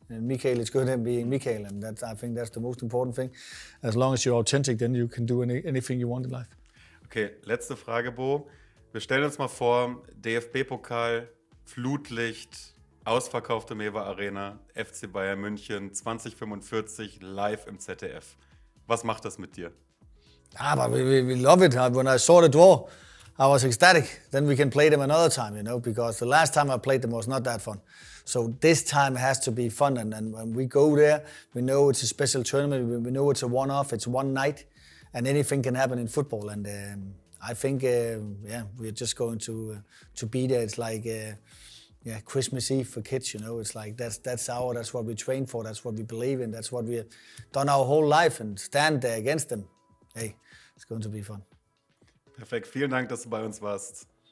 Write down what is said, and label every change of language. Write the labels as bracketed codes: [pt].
[en] And Michael is good at being Michael, and that, I think that's the most important thing. As long as you're authentic, then you can do anything you want in life. [de] Okay, letzte Frage, Bo. Wir stellen uns mal vor, DFB-Pokal, Flutlicht, ausverkaufte Mewa Arena, FC Bayern München, 2045, live im ZDF. Was macht das mit dir? Aber [en] we love it. When I saw the draw, I was ecstatic. Then we can play them another time, you know, because the last time I played them was not that fun. So this time has to be fun, and when we go there, we know it's a special tournament, we know it's a one-off, it's one night, and anything can happen in football, and I think, yeah, we're just going to be there. It's like Christmas Eve for kids, you know, it's like that's what we train for, that's what we believe in, that's what we've done our whole life, and stand there against them, hey, it's going to be fun. [de] Perfekt, vielen Dank, dass du bei uns warst.